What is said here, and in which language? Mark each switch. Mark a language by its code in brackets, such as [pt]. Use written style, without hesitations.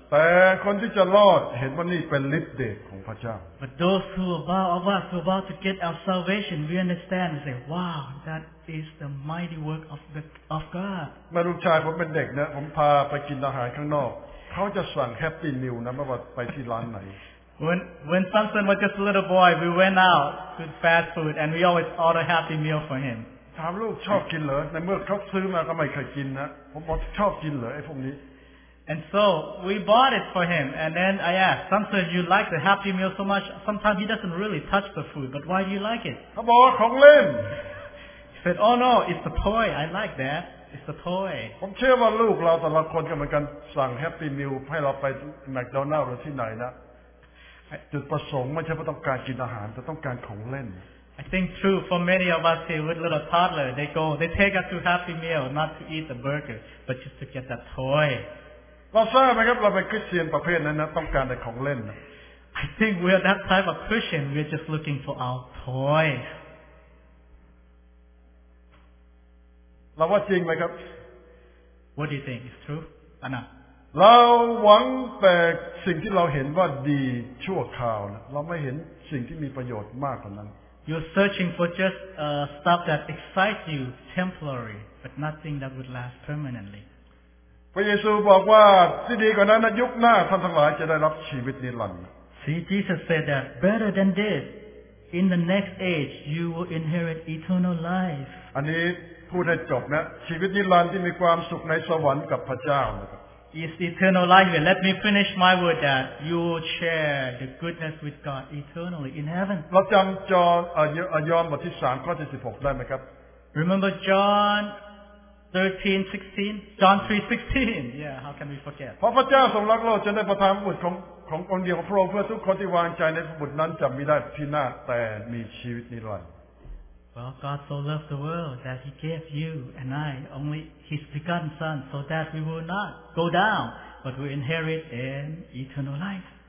[th] แต่คนที่จะรอดเห็นว่านี่เป็นฤทธิ์เดชของพระเจ้า [en] But those who are about to get our salvation, we understand and say, wow, that is the mighty work of God. [th] เมื่อลูกชายผมเป็นเด็กเนี่ยผมพาไปกินอาหารข้างนอกเขาจะสั่งแฮปปี้มิลนะไม่ว่าไปที่ร้านไหน [en] When Samson was just a little boy we went out to fast food and we always order happy meal for him [th] ถามลูกชอบกินเหรอในเมื่อเขาซื้อมาก็ไม่เคยกินนะผมบอกชอบกินเหรอไอ้พวกนี้ [en] And so we bought it for him and then I asked Samson you like the happy meal so much sometimes he doesn't really touch the food but why do you like it [th] เขาบอกของเล่น [en] He said oh no it's the toy I like thatIt's a toy. [th] ผมเชื่อว่าลูกเราแต่ละคนก็เหมือนกันสั่งแฮปปี้มิลให้เราไปแมคโดนัลด์หรือที่ไหนนะจุดประสงค์ไม่ใช่เพราะต้องการกินอาหารแต่ต้องการของเล่น [en] I think true for many of us here with little toddler they go they take us to happy meal not to eat the burger but just to get that toy [th] เราทราบไหมครับเราเป็นคริสเตียนประเภทนั้นนะต้องการแต่ของเล่น [en] I think we are that type of Christian we're just looking for our toy [th] เราว่าจริงไหมครับ [en] What do you think is true? Anna [th] เราหวังแต่สิ่งที่เราเห็นว่าดีชั่วคราวนะเราไม่เห็นสิ่งที่มีประโยชน์มากกว่านั้น [en] You're searching for just stuff that excites you temporary but nothing that would last permanently [th] พระเยซูบอกว่าที่ดีกว่านั้นนะยุคหน้าท่านทั้งหลายจะได้รับชีวิตนิรันดร์ [en] See Jesus said that better than this in the next age you will inherit eternal life [th] อันนี้พูดให้จบนะชีวิตนิรันดร์ที่มีความสุขในสวรรค์กับพระเจ้านะครับ [en] Is eternal life. Let me finish my word that you will share the goodness with God eternally in heaven. [th] เราจำจอห์นยอห์นบทที่3ข้อ16ได้ไหมครับ [en] Remember John 13:16 John 3:16 Yeah how can we forget [th] เพราะพระเจ้าทรงรักโลกจนได้ประทานบุตรขององค์เดียวของพระองค์เพื่อทุกคนที่วางใจในบุตรนั้นจะไม่ได้พินาศแต่มีชีวิตนิรันดร์ [en] Well, God so loved the world that He gave you and I only His begotten Son so that we will not go down, but will inherit an eternal life.